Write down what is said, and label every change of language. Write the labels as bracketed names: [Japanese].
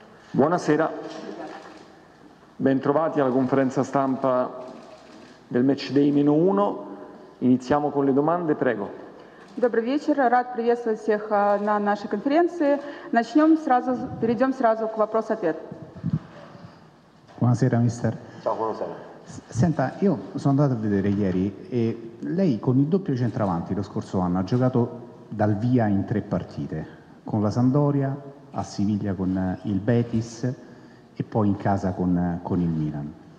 [Italian] Buonasera, bentrovati alla conferenza stampa del match day meno uno. Iniziamo con le domande, prego. [Russian] Добрый вечер, рад приветствовать всех на нашей конференции. Начнем сразу, перейдем сразу к вопрос-ответ. [Italian] Buonasera, mister. Ciao, buonasera. Senta, io sono andato a vedere ieri e lei con il doppio centravanti lo scorso anno ha giocato dal via in tre partite, con la Sampdoria, a Siviglia con il Betis e poi in casa con il Milan.